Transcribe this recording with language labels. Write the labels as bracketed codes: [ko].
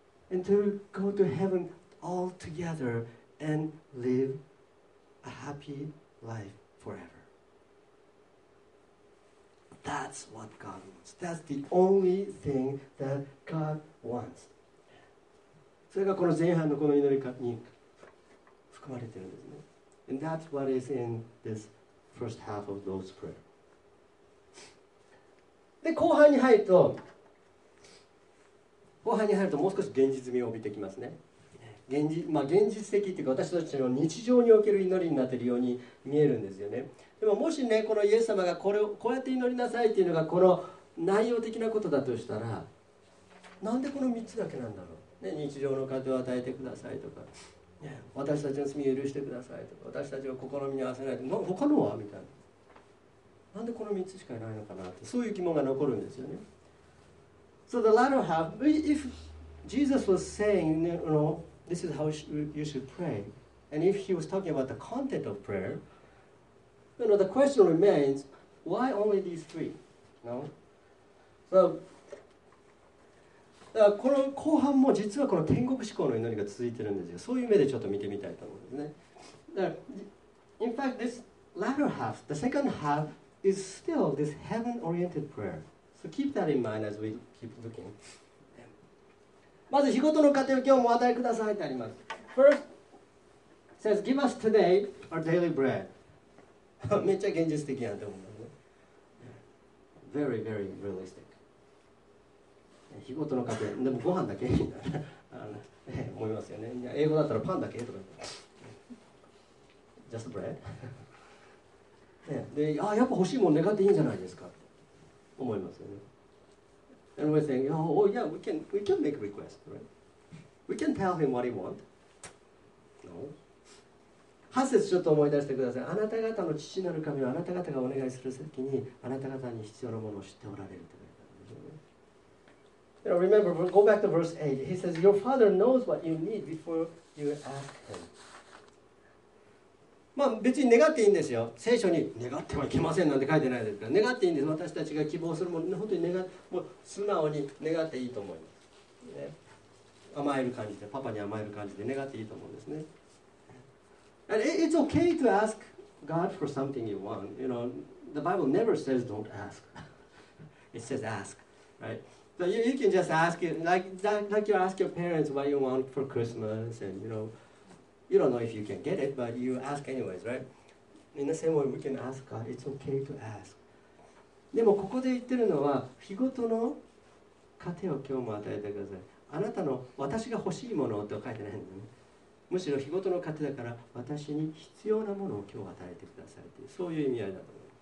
[en] And to go to heaven all together and live a happy life forever. That's what God wants. That's the only thing that God wants. [ja] それがこの前半のこの祈りに含まれているんですね。 [en] And that's what is in this first half of those prayer. [ja] で、後半に入ると、後半に入るともう少し現実味を帯びてきますね。現実的っていうか私たちの日常における祈りになっているように見えるんですよね。でももしね、このイエス様がこうやって祈りなさいっていうのがこの内容的なことだとしたら、なんでこの3つだけなんだろう、ね、日常の糧を与えてくださいとか、私たちの罪を許してくださいとか、私たちを試みに合わせないと、他のはみたいな、なんでこの3つしかいないのかなって、そういう疑問が残るんですよね。 [en] So the latter half, if Jesus was saying, you know, this is how you should pray, and if he was talking about the content of prayer, you know, the question remains, why only these three? No? [ja] So,この後半も実はこの天国志向の祈りが続いてるんですよ。そういう目でちょっと見てみたいと思うんですね。 [en] In fact, this latter half, the second half, is still this heaven-oriented prayer. So keep that in mind as we keep looking. [ja] まず、日ごとの糧を今日もお与えくださいってあります。 [en] First, it says, give us today our daily bread. [ja] めっちゃ現実的やと思うんですね。 [en] Very, very realistic. [ja] 日ごとの家庭でもご飯だけみたいな思いますよね。英語だったらパンだけとか [en] Just bread [ja] 、ね、でやっぱ欲しいもん願っていいんじゃないですかって思いますよね。 [en] And we're saying, oh yeah, we can make a request, right? We can tell him what he want. No. [ja] 8節ちょっと思い出してください。あなた方の父なる神はあなた方がお願いする時にあなた方に必要なものを知っておられるとか。 [en] You know, remember, go back to verse 8. He says, your father knows what you need before you ask him. [ja] まあ別に願っていいんですよ。聖書に願ってはいけませんなんて書いてないですから。願っていいんです。私たちが希望するもの、本当に願もう素直に願っていいと思います、ね。甘える感じで、パパに甘える感じで願っていいと思うんですね。 [en] And it's okay to ask God for something you want. You know, the Bible never says don't ask. It says ask, right? So you can just ask it, like you ask your parents what you want for Christmas, and you know, you don't know if you can get it, but you ask anyways, right? In the same way, we can ask God, it's okay to ask. [ja] でもここで言ってるのは、日ごとの糧を今日も与えてください。あなたの、私が欲しいものと書いてないんだね。むしろ日ごとの糧だから、私に必要なものを今日与えてくださいという、そういう意味合いだと。